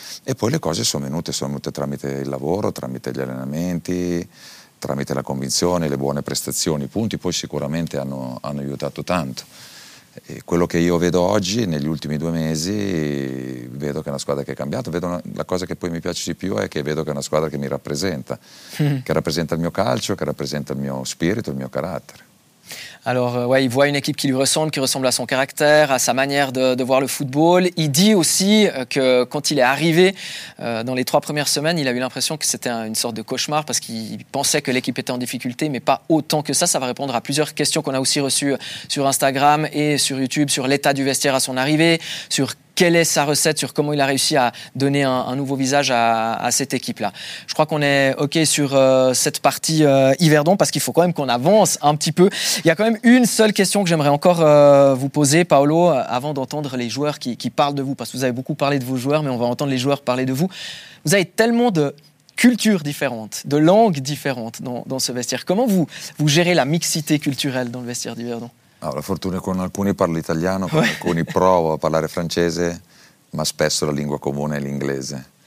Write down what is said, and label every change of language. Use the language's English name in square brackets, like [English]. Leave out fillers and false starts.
[French] E poi le cose sono venute tramite il lavoro, tramite gli allenamenti, tramite la convinzione, le buone prestazioni, i punti poi sicuramente hanno aiutato tanto. E quello che io vedo oggi, negli ultimi due mesi, vedo che è una squadra che è cambiata. La cosa che poi mi piace di più è che vedo che è una squadra che mi rappresenta, che rappresenta il mio calcio, che rappresenta il mio spirito, il mio carattere. Alors, ouais, il voit une équipe qui lui ressemble, qui ressemble à son caractère, à sa manière de voir le football. Il dit aussi que quand il est arrivé, dans les trois premières semaines, il a eu l'impression que c'était une sorte de cauchemar parce qu'il pensait que l'équipe était en difficulté, mais pas autant que ça. Ça va répondre à plusieurs questions qu'on a aussi reçues sur Instagram et sur YouTube, sur l'état du vestiaire à son arrivée, sur quelle est sa recette, sur comment il a réussi à donner un nouveau visage à cette équipe-là. Je crois qu'on est OK sur cette partie Yverdon, parce qu'il faut quand même qu'on avance un petit peu. Il y a quand même une seule question que j'aimerais encore vous poser, Paolo, avant d'entendre les joueurs qui parlent de vous, parce que vous avez beaucoup parlé de vos joueurs, mais on va entendre les joueurs parler de vous. Vous avez tellement de cultures différentes, de langues différentes dans ce vestiaire. Comment vous gérez la mixité culturelle dans le vestiaire d'Yverdon ? [Italian] Allora, la fortuna è che con alcuni parlo italiano, con alcuni provo a parlare francese, ma spesso la lingua comune è l'inglese.